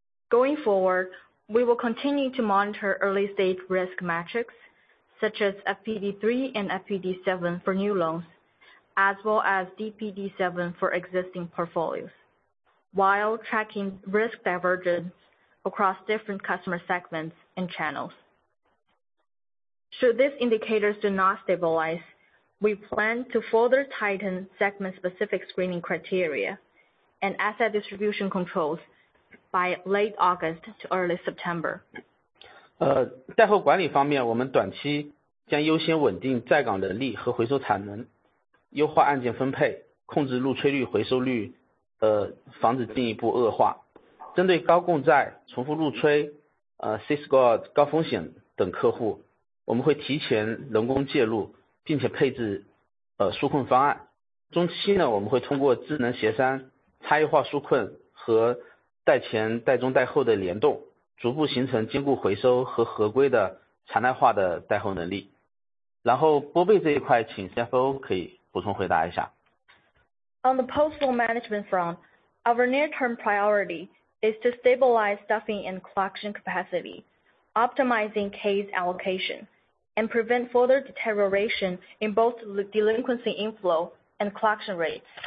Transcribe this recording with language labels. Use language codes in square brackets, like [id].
[en] Going forward, we will continue to monitor early-stage risk metrics, such as FPD3 and FPD7 for new loans, as well as DPD7 for existing portfolios, while tracking risk divergence across different customer segments and channels. Should these indicators do not stabilize, we plan to further tighten segment-specific screening criteria and asset distribution controls by late August to early September. [zh] 贷后管理方面，我们短期将优先稳定在岗人力和回收产能，优化案件分配，控制入催率、回收率，防止进一步恶化。针对高供债、重复入催、C-score 高风险等客户，我们会提前人工介入，并且配置纾困方案。中期呢，我们会通过智能协商、差异化纾困和贷前、贷中、贷后的联动，逐步形成兼顾回收和合规的常态化的贷后能力。然后拨备这一块，请 CFO 可以补充回答一下。 [en] On the post-loan management front, our near-term priority is to stabilize staffing and collection capacity, optimizing case allocation, and prevent further deterioration in both delinquency inflow and collection rates.